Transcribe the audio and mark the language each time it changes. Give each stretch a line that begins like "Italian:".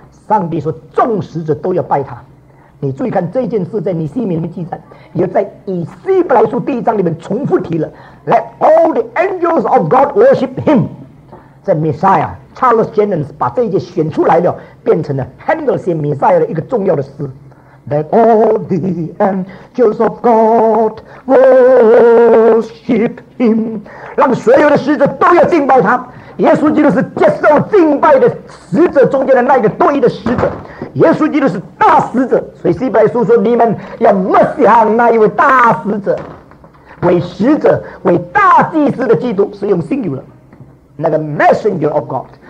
Chinese: 上帝说众使者都要拜他。你注意看这件事在尼希米里面记载，也在以西伯来书第一章里面重复提了
English: Let all the angels of God worship him。
Chinese: 在 Messiah Charles Jennings 把这一节选出来了，变成了 Handel 写 Messiah 的一个重要的诗。
English: Let all the angels of God worship him，
Chinese: 让所有的使者都要敬拜他。耶稣基督是接受敬拜的使者中间的那个对的使者，耶稣基督是大使者，所以希伯来书说你们要默想那一位大使者，为使者为大祭司的基督，是用 singular 那个
English: messenger of God。